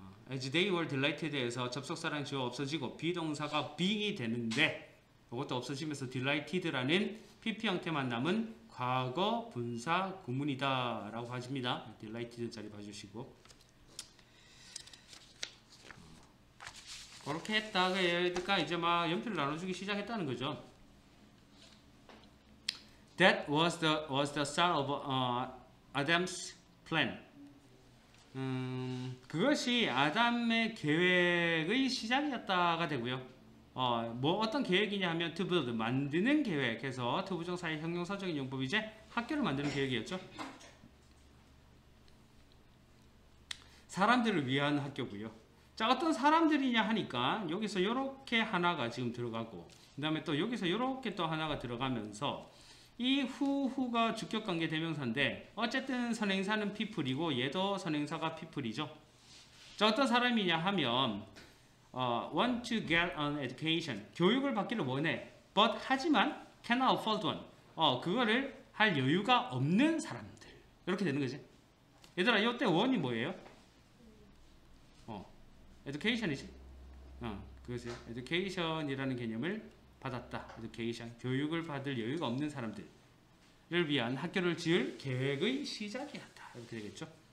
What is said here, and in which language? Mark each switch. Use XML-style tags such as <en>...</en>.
<en>as they were delighted</en> <ko>에서 접속사랑 주어 없어지고 비동사가 being이 되는데 그것도 없어지면서 delighted라는 pp 형태만 남은 과거 분사 구문이다 라고 하십니다. delighted 자리 봐주시고 그렇게 했다가 얘가 이제 막 연필을 나눠주기 시작했다는 거죠.</ko> <en>That was the start of Adam's plan.</en> <ko>그것이 아담의 계획의 시작이었다가 되고요. 뭐 어떤 계획이냐 하면 투부더드 만드는 계획해서 투부정 사의 형용사적인 용법 이제 학교를 만드는 계획이었죠. 사람들을 위한 학교고요. 자, 어떤 사람들이냐 하니까 여기서 이렇게 하나가 지금 들어가고 그다음에 또 여기서 이렇게 또 하나가 들어가면서 이 후후가 주격 관계 대명사인데 어쨌든 선행사는 people이고 얘도 선행사가 people이죠. 자, 어떤 사람이냐 하면</ko> <en>want to get an education.</en> <ko>교육을 받기를 원해.</ko> <en>But</en> <ko>하지만</ko> <en>cannot afford one.</en> <ko>그거를 할 여유가 없는 사람들. 이렇게 되는 거지. 얘들아, 이때 원이 뭐예요? education이지. 그거세요. education이라는 개념을 받았다.</ko> <en>education.</en> <ko>교육을 받을 여유가 없는 사람들을 위한 학교를 지을 계획의 시작이었다. 이렇게 되겠죠.</ko>